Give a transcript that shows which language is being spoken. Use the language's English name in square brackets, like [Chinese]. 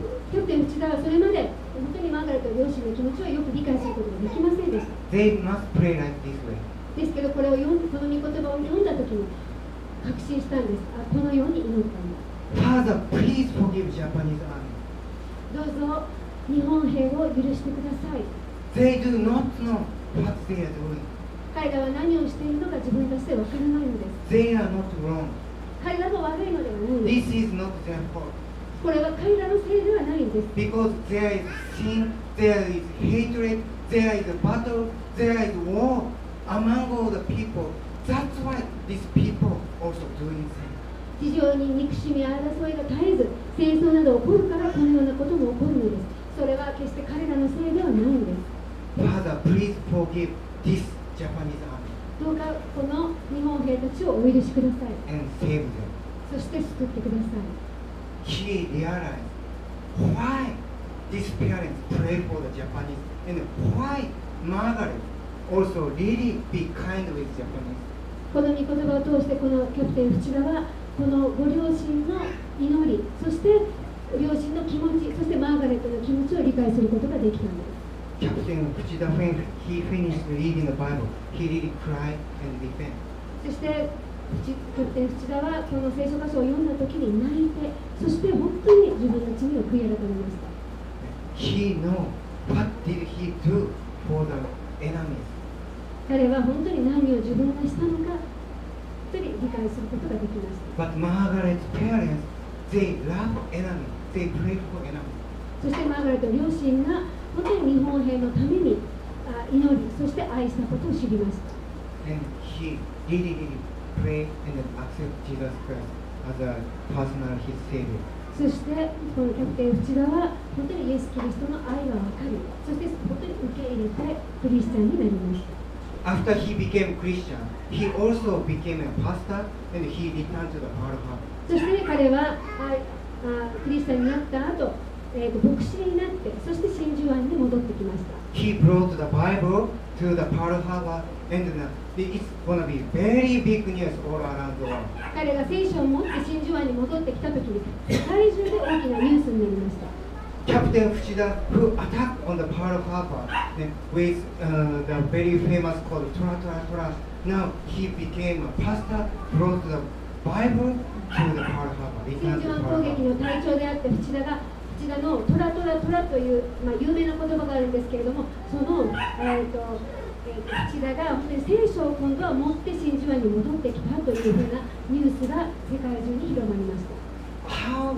[Japanese] キャプテン内田はそれまで本当にマーガレットの両親の気持ちをよく理解することができませんでした。 [English] They must pray like this way. [Japanese] ですけど、これを読んで、この御言葉を読んだときに確信したんです。このように祈ったんです。 [English] Father, please forgive Japanese army. [Japanese] どうぞ日本兵を許してください。 [English] They do not know what they are doing. [Japanese] 彼らは何をしているのか自分たちで分からないのです。 [English] They are not wrong. [Japanese] 彼らも悪いのではないんです。 [English] This is not their fault. [Japanese] これは彼らのせいではないんです。 [English] Because there is sin, there is hatred, there is battle, there is war among all the people. That's why these people also doing this. [Japanese] 地上に憎しみ争いが絶えず戦争など起こるからこのようなことも起こるのです。それは決して彼らのせいではないんです。 [English] Father, please forgive this Japanese army. [Japanese] どうかこの日本兵たちをお許しください。 [English] And save them. [Japanese] そして救ってください。 [English] He realized why these parents pray for the Japanese and why Margaret also really be kind with Japanese. [Japanese] この御言葉を通してこのキャプテン内田はこのご両親の祈り、そして両親の気持ち、そしてマーガレットの気持ちを理解することができたんです。 [English] キャプテンの口だフェン、he finished reading the Bible, he really cried and repented. [Japanese] そしてキャプテン口だはこの聖書箇所を読んだときに泣いて、そして本当に自分の罪を悔い改めました。 [English] He knows what did he do for the enemies. [Japanese] 彼は本当に何を自分がしたのか。理解することができました。 [English] But Margaret's parents, they love enemy. They pray for enemy. [Japanese] そしてマーガレット両親が本当に日本兵のために祈り、そして愛したことを知りました。 [English] And he really, really prayed and accepted Jesus Christ as a personal his savior. [Japanese] そしてこのキャプテン内田は本当にイエス・キリストの愛がわかり、そして本当に受け入れてクリスチャンになりました。 [English] After he became Christian, he also became a pastor and he returned to the Pearl Harbor. [Japanese] そして彼はクリスチャンになった後、牧師になって、そして真珠湾に戻ってきました。 [English] He brought the Bible to the Pearl Harbor and it's going to be very big news all around the world. [Japanese] 彼が聖書を持って真珠湾に戻ってきた時に、世界中で大きなニュースになりました。 [English] Captain Fuchida, who attacked on the Pearl Harbor with the very famous called Tora Tora Tora, now he became a pastor, brought the Bible to the Pearl Harbor. [Japanese] 真珠湾攻撃の隊長であって、フチダのトラトラトラという、有名な言葉があるんですけれども、その、岸田が聖書を今度は持って真珠湾に戻ってきたというふうなニュースが世界中に広まりました。